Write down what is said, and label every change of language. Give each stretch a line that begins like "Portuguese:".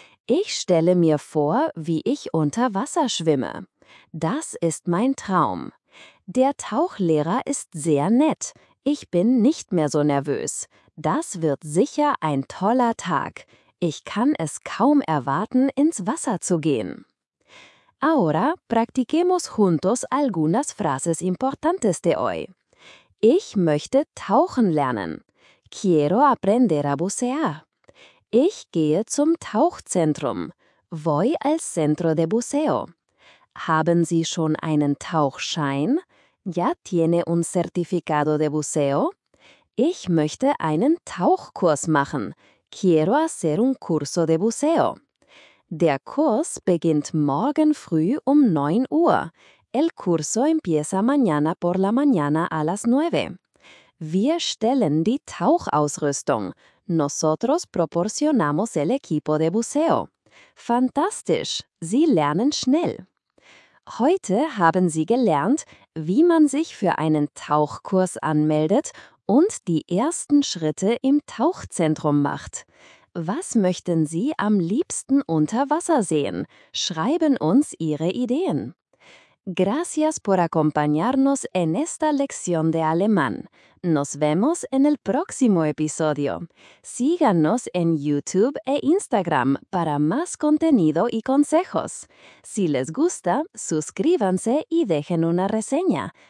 German: Ich stelle mir vor, wie ich unter Wasser schwimme. Das ist mein Traum. Der Tauchlehrer ist sehr nett. Ich bin nicht mehr so nervös. Das wird sicher ein toller Tag. Ich kann es kaum erwarten, ins Wasser zu gehen.
Spanish: Ahora practiquemos juntos algunas frases importantes de hoy.
German: Ich möchte tauchen lernen.
Spanish: Quiero aprender a bucear.
German: Ich gehe zum Tauchzentrum.
Spanish: Voy al centro de buceo.
German: Haben Sie schon einen Tauchschein?
Spanish: ¿Ya tiene un certificado de buceo?
German: Ich möchte einen Tauchkurs machen.
Spanish: Quiero hacer un curso de buceo.
German: Der Kurs beginnt morgen früh um 9 Uhr.
Spanish: El curso empieza mañana por la mañana a las 9.
German: Wir stellen die Tauchausrüstung.
Spanish: Nosotros proporcionamos el equipo de buceo.
German: Fantastisch! Sie lernen schnell. Heute haben Sie gelernt, wie man sich für einen Tauchkurs anmeldet und die ersten Schritte im Tauchzentrum macht. Was möchten Sie am liebsten unter Wasser sehen? Schreiben uns Ihre Ideen.
Spanish: Gracias por acompañarnos en esta lección de alemán. Nos vemos en el próximo episodio. Síganos en YouTube e Instagram para más contenido y consejos. Si les gusta, suscríbanse y dejen una reseña.